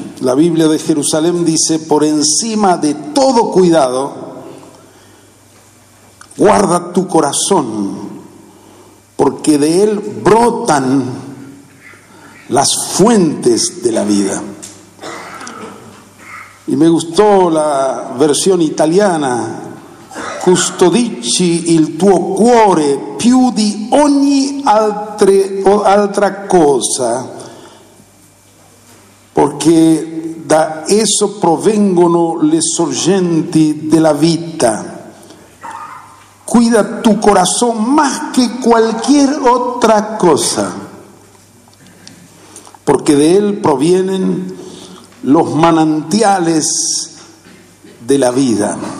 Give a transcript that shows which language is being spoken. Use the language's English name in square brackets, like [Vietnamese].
[Spanish] La Biblia de Jerusalén dice: por encima de todo cuidado, guarda tu corazón, porque de él brotan las fuentes de la vida. [Italian] Y me gustó la versión italiana: custodici il tuo cuore più di ogni altra cosa, perché da esso provengono le sorgenti della vita. [Spanish] Cuida tu corazón más que cualquier otra cosa, porque de él provienen los manantiales de la vida.